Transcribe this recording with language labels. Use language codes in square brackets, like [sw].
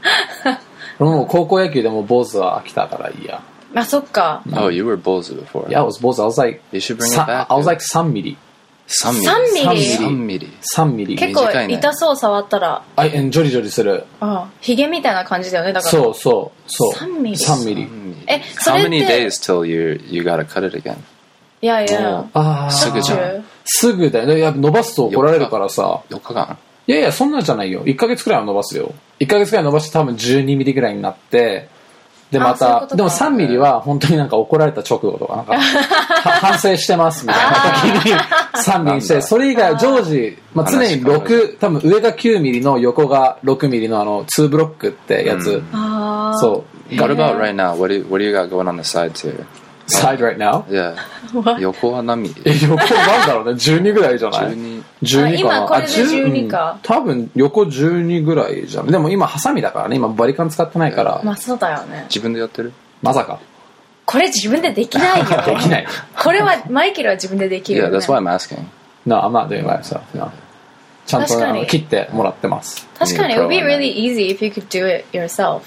[ja] でも高校野球でも坊主は飽きたからいいや。あ、そっか。 [en] Oh, you were 坊主 before. Yeah, I was 坊主. I was like, you should bring it back. I was like 3ミリ。 [ja] 3ミリ？ 3ミリ。 3ミリ。 3ミリ。結構痛そう、触ったら。あ、ジョリジョリする。あ、ヒゲみたいな感じだよね、だから。そうそうそう。 3ミリ。 3ミリ。え、それって。 [en] How many days till you gotta cut it again? [ja] いやいや、あ、すぐじゃん、すぐだよ、いや伸ばすと怒られるからさ、 4日間、いやいやそんなんじゃないよ、1ヶ月くらいは伸ばすよ、1ヶ月くらい伸ばして多分12ミリぐらいになって、でまた、ううでも3ミリは本当になんか怒られた直後とか、なんか反省してますみたいな時に3ミリして、それ以外常時、まあ、常に6、多分上が9ミリの横が6ミリのあの2ブロックってやつ、うん、そう、 [en] What about right now? What do you got going on the side too? Side right now? [ja] Yeah. 横は何ミリ？横なんだろうね。12ぐらいじゃない？12かな。あ、今これで12か。多分横12ぐらいじゃん。でも今ハサミだからね。今バリカン使ってないから。まあそうだよね。自分でやってる？まさか。これ自分でできないよ。できない。これはマイケルは自分でできるよ、ね。 [en] Yeah, that's why I'm asking. No, I'm not doing myself. No. [ja] ちゃんと切ってもらってます。確かに。 [en] It would be really easy if you could do it yourself.